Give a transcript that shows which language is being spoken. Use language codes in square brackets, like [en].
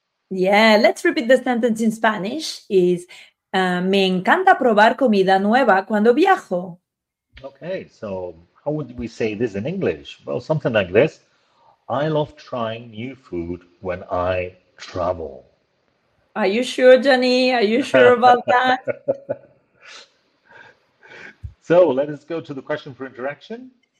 [en] Yeah, let's repeat the sentence in Spanish. [es] Is me encanta probar comida nueva cuando viajo. [en] Okay, so how would we say this in English? Well, something like this. I love trying new food when I travel. Are you sure, Johnny? Are you sure about that? So let us go to the question for interaction.